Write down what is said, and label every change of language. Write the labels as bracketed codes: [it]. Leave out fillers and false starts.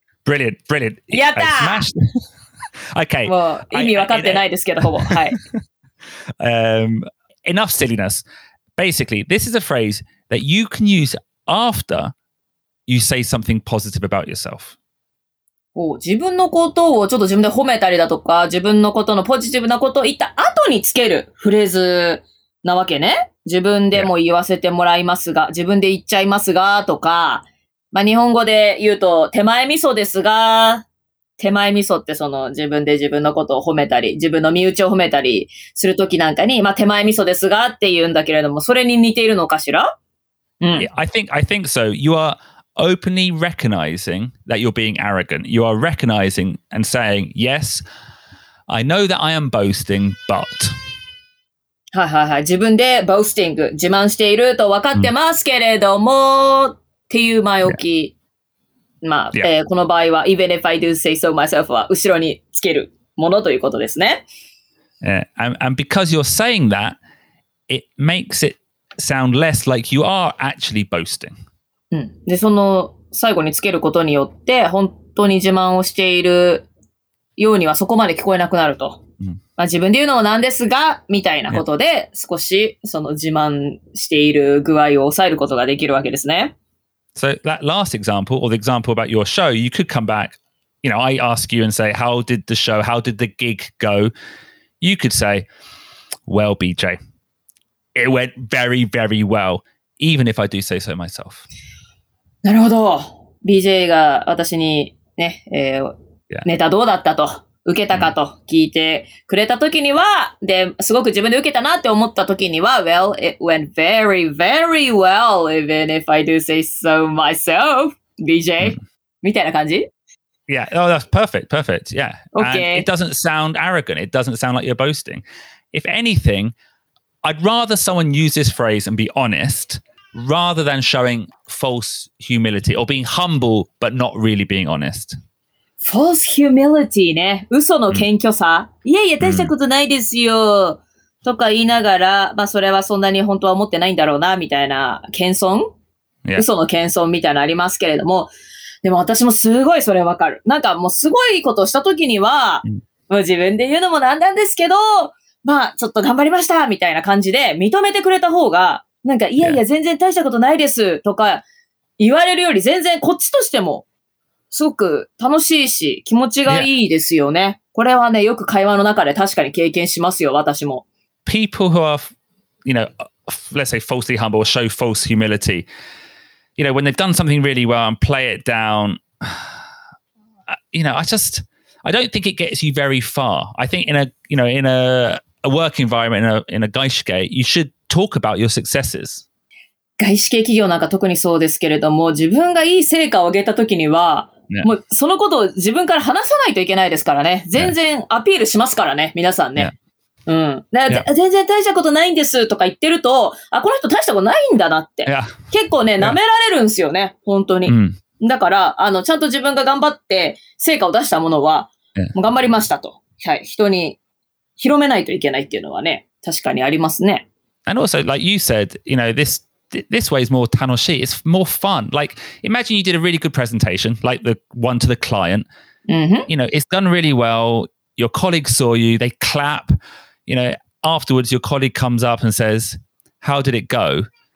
[en] Brilliant, brilliant. Yeah, smashed. okay. [ja] Well, 意味分かってないですけど、ほぼ。はい。 [en] Enough silliness. Basically, this is a phrase that you can use after you say something positive about yourself. [ja] 自分のことをちょっと自分で褒めたりだとか、自分のことのポジティブなことを言った後につけるフレーズなわけね。自分でも言わせてもらいますが、自分で言っちゃいますが、とか、まあ、日本語で言うと、手前味噌ですが、手前味噌ってその自分で自分のことを褒めたり、自分の身内を褒めたりするときなんかに、まあ、手前味噌ですがって言うんだけれども、それに似ているのかしら？ [en] うん。I think so. You are... Openly recognizing that you're being arrogant. You are recognizing and saying, yes, I know that I am boasting, but... [ja] はいはいはい。自分で boasting、自慢していると分かってますけれども、っていう前置き。まあ、この場合は、 [en] even if I do say so myself [ja] は後ろにつけるものということですね。 [en] And because you're saying that, it makes it sound less like you are actually boasting. [ja] うん、で、その最後につけることによって、本当に自慢をしているようにはそこまで聞こえなくなると。うんまあ、自分で言うのもなんですが、みたいなことで、少しその自慢している具合を抑えることができるわけですね。 [en] So that last example, or the example about your show, you could come back, you know, I ask you and say, how did the show, how did the gig go? You could say, well, BJ, it went very, very well, even if I do say so myself. [ja] なるほど。BJ が私にね、ネタどうだったと、受けたかと聞いてくれたときには、で、すごく自分で受けたなって思ったときには、 [en] Well, it went very, very well, even if I do say so myself, [ja] BJ. みたいな感じ [en] Yeah, oh, that's perfect, perfect, yeah. Okay. And it doesn't sound arrogant, it doesn't sound like you're boasting. If anything, I'd rather someone use this phrase and be honest... Rather than showing false humility or being humble but not really being honest. False humility, [ja] ね。嘘の謙虚さ。いやいや、大したことないですよ。とか言いながら、まあ、それはそんなに本当は思ってないんだろうな、みたいな謙遜、 [en] yeah. [ja] 嘘の謙遜みたいなありますけれども、でも私もすごいそれわかる。なんかもうすごいことをしたときには、もう自分で言うのもなんなんですけど、まあ、ちょっと頑張りましたみたいな感じで認めてくれた方が、なんか、いやいや、全然大したことないですとか言われるより、全然こっちとしても、すごく楽しいし、気持ちがいいですよね。これはね、よく会話の中で確かに経験しますよ、私も。 [en] People who are, you know, let's say falsely humble or show false humility, you know, when they've done something really well and play it down, you know, I don't think it gets you very far. I think in a, you know, in a work environment, in a 外資系, you should talk about your successes. [ja] 外資系企業なんか特にそうですけれども、自分がいい成果を上げた時には、 [en] Yeah. [ja] もうそのことを自分から話さないといけないですからね。全然アピールしますからね、皆さんね。 [en] Yeah. うん。Yeah. [ja] 全然大したことないんですとか言ってると、あ、この人大したことないんだなって。 [en] Yeah. [ja] 結構ね、舐められるんですよね、 [en] yeah. [ja] 本当に。 Mm. だから、あの、ちゃんと自分が頑張って成果を出したものは、 [en] yeah. [ja] もう頑張りましたと。はい。人に広めないといけないっていうのはね、確かにありますね。 [en] And also, like you said, you know, this way is more 楽しい. It's more fun. Like, imagine you did a really good presentation, like the one to the client.、 Mm-hmm. You know, it's done really well. Your colleagues saw you. They clap. You know, afterwards, your colleague comes up and says, how did it go?